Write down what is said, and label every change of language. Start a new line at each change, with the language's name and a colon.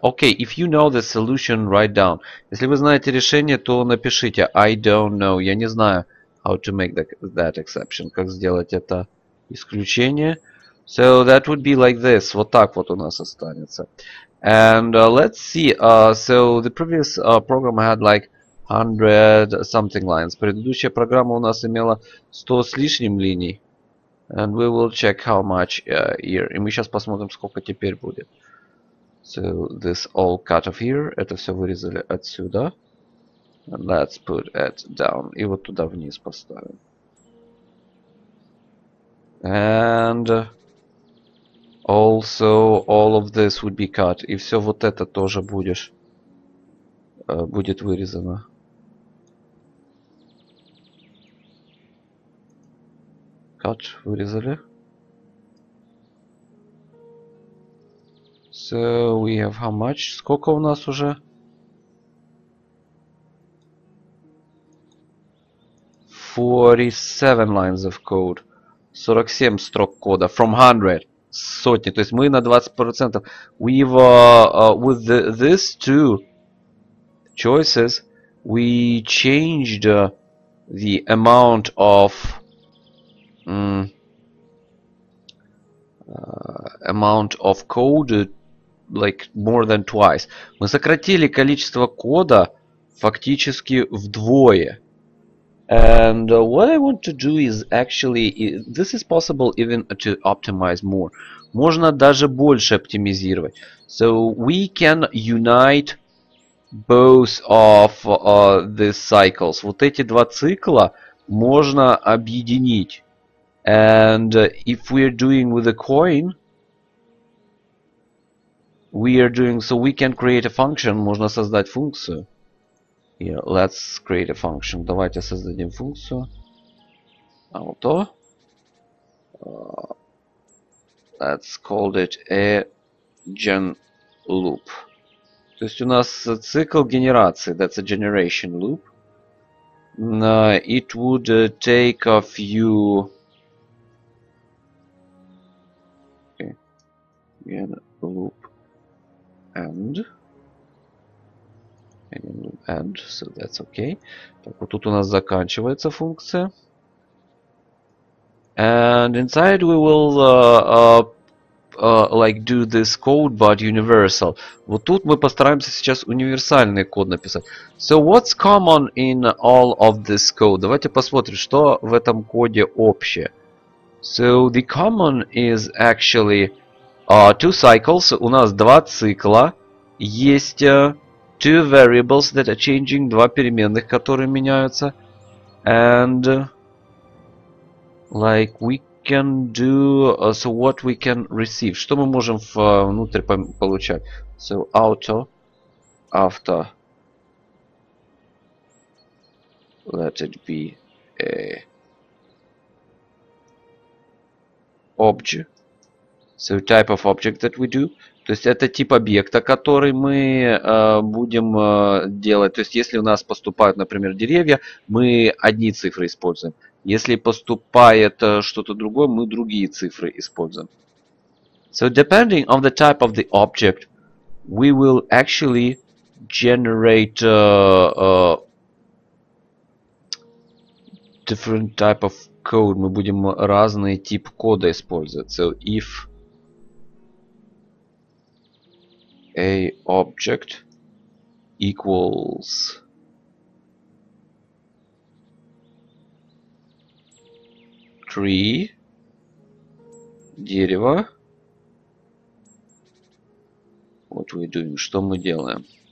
English: Okay, if you know the solution, write down.
Russian: Если вы знаете решение, то напишите.
English: I don't know.
Russian: Я не знаю,
English: how to make that exception.
Russian: Как сделать это исключение.
English: So that would be like this.
Russian: Вот так вот у нас останется.
English: And let's see. So the previous program had like 100 something lines.
Russian: Предыдущая программа у нас имела 100 с лишним линий.
English: And we will check how much here.
Russian: И мы сейчас посмотрим, сколько теперь будет.
English: So this all cut off here.
Russian: Это все вырезали отсюда.
English: And let's put it down.
Russian: И вот туда вниз поставим.
English: And also all of this would be cut.
Russian: И все вот это тоже будет вырезано.
English: Cut,
Russian: вырезали.
English: So we have how much?
Russian: Сколько у нас уже?
English: 47 lines of code.
Russian: 47 строк кода.
English: From 100.
Russian: Сотни. То есть мы на 20%.
English: We've with these two choices, we changed the amount of amount of code like more than twice.
Russian: Мы сократили количество кода фактически вдвое.
English: And what I want to do is actually, this is possible even to optimize more.
Russian: Можно даже больше оптимизировать.
English: So we can unite both of these cycles.
Russian: Вот эти два цикла можно объединить.
English: And if we are doing with a coin, we are doing, so we can create a function.
Russian: Можно создать функцию.
English: Here, let's create a function.
Russian: Давайте создадим функцию.
English: Auto. Let's call it a gen loop.
Russian: То есть у нас цикл генерации.
English: That's a generation loop. It would take a few... Okay. Gen loop end. And so that's okay.
Russian: Так, вот тут у нас заканчивается функция.
English: And inside we will like do this code, but universal.
Russian: Вот тут мы постараемся сейчас универсальный код написать.
English: So what's common in all of this code?
Russian: Давайте посмотрим, что в этом коде общее.
English: So the common is actually two cycles.
Russian: У нас два цикла. Есть
English: two variables that are changing,
Russian: два переменных, которые меняются.
English: And like we can do, so what we can receive,
Russian: что мы можем внутрь получать.
English: So auto after let it be a object. So type of object that we do.
Russian: То есть это тип объекта, который мы будем делать. То есть если у нас поступают, например, деревья, мы одни цифры используем. Если поступает что-то другое, мы другие цифры используем.
English: So depending on the type of the object, we will actually generate different type of code.
Russian: Мы будем разные тип кода использовать.
English: So if a object equals tree, дерево, what we doing,
Russian: что мы делаем?